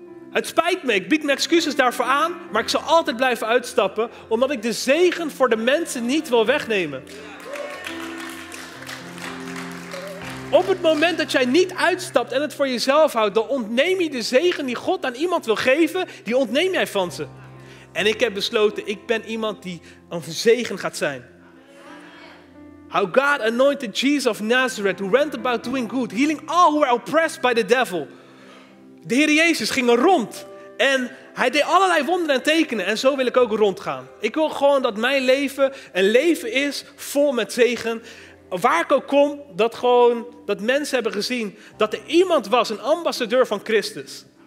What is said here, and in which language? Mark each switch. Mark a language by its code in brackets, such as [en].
[nl] Het spijt me, ik bied mijn excuses daarvoor aan, maar ik zal altijd blijven uitstappen, omdat ik de zegen voor de mensen niet wil wegnemen. Op het moment dat jij niet uitstapt en het voor jezelf houdt, dan ontneem je de zegen die God aan iemand wil geven, die ontneem jij van ze. En ik heb besloten, ik ben iemand die een zegen gaat zijn. [en] How God anointed Jesus of Nazareth, who went about doing good, healing all who are oppressed by the devil. [nl] De Heer Jezus ging rond en hij deed allerlei wonderen en tekenen. En zo wil ik ook rondgaan. Ik wil gewoon dat mijn leven een leven is vol met zegen. Waar ik ook kom, dat mensen hebben gezien dat er iemand was, een ambassadeur van Christus.